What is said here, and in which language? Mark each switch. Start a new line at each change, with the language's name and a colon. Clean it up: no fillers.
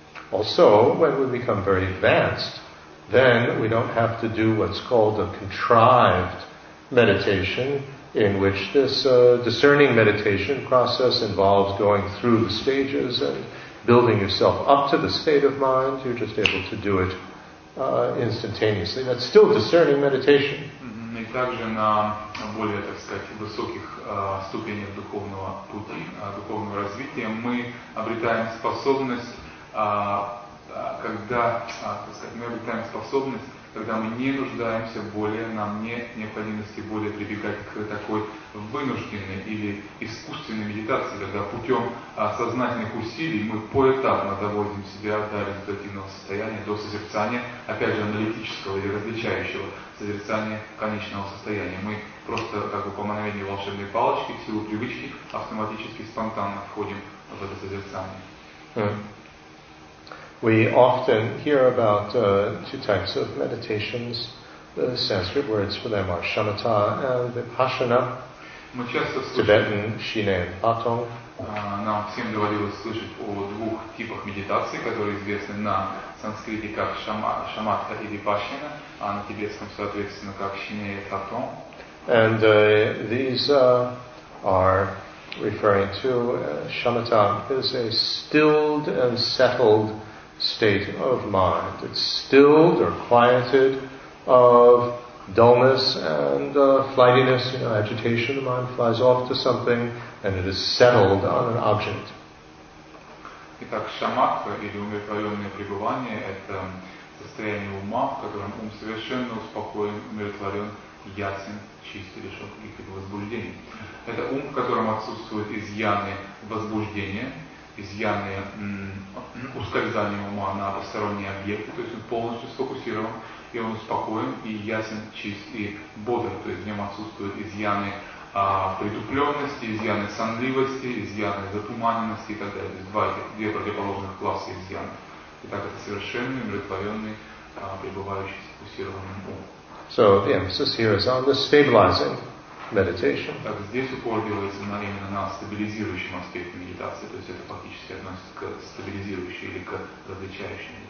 English: Also, when we become very advanced, then we don't have to do what's called a contrived meditation, in which this discerning meditation process involves going through the stages and building yourself up to the state of mind. You're just able to do it instantaneously. That's still discerning meditation.
Russian: И также на более, так сказать, высоких ступенях духовного пути, духовного развития, мы обретаем способность, когда, так сказать, мы обретаем способность, когда мы не нуждаемся более, нам нет необходимости более прибегать к такой вынужденной или искусственной медитации, когда путем сознательных усилий мы поэтапно доводим себя до результативного состояния, до созерцания, опять же, аналитического или различающего созерцания конечного состояния. Мы просто, как бы по мановению волшебной палочки, в силу привычки, автоматически, спонтанно входим в это созерцание.
English: We often hear about two types of meditations. The Sanskrit words for them are shamatha and vipassana. Tibetan, shine and patong.
Russian: Нам всем доводилось слышать о двух типах медитации, которые известны на санскрите как шамата и випассана, а на тибетском, соответственно, как шине и патон.
English: And these are referring to shamatha is a stilled and settled state of mind. It's stilled or quieted of dullness and flightiness, you know, agitation. The mind flies off to something and it is settled on an object.
Russian: Итак, шамадха или умиротворенное пребывание – это состояние ума, в котором ум совершенно успокоен, умиротворен, ясен, чист, лишён каких-либо возбуждений. Это ум, в котором отсутствуют изъяны возбуждения, изъяны ускользания ума на посторонние объекты, то есть он полностью сфокусирован, и он спокоен, и ясен, чист, и бодр, то есть в нем отсутствуют изъяны притупленности, изъяны сонливости, изъяны затуманенности и так далее. То есть две противоположных класса изъян. Итак, это совершенный, умиротворенный, пребывающий, сфокусированный ум.
English: So the emphasis here is on the stabilizing meditation.
Russian: Так здесь упор делается на именно на стабилизирующем аспекте медитации, то есть это фактически относится к стабилизирующей или к различающей.